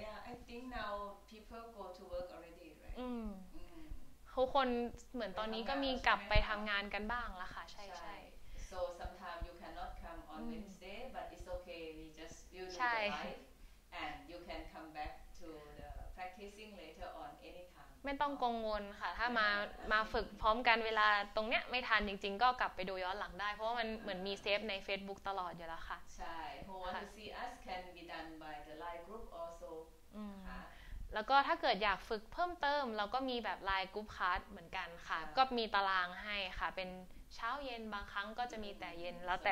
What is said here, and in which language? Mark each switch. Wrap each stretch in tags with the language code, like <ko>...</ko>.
<en>I think now people go to work already right</en> <th>ทุกคนเหมือนตอนนี้ก็มีกลับไปทำงานกันบ้างละค่ะใช่ใช่</th> <en>So sometimes you cannot come on Wednesday but it's okay we just build the lifeAnd you can come back to the practicing later on anytime.</en> <th>ไม่ต้องกังวลค่ะถ้ามา มาฝึกพร้อมกันเวลาตรงเนี้ยไม่ทันจริงๆก็กลับไปดูย้อนหลังได้เพราะว่ามันเหมือนมีเซฟใน Facebook ตลอดอยู่แล้วค่ะ</th> <en>ใช่ Who want to see us can be done by the line group also.</en> <th>ค่ะแล้วก็ถ้าเกิดอยากฝึกเพิ่มเติมเราก็มีแบบ line group class เหมือนกันค่ะก็มีตารางให้ค่ะเป็นเช้าเย็นบางครั้งก็จะมีแต่เย็นแล้วแต</th>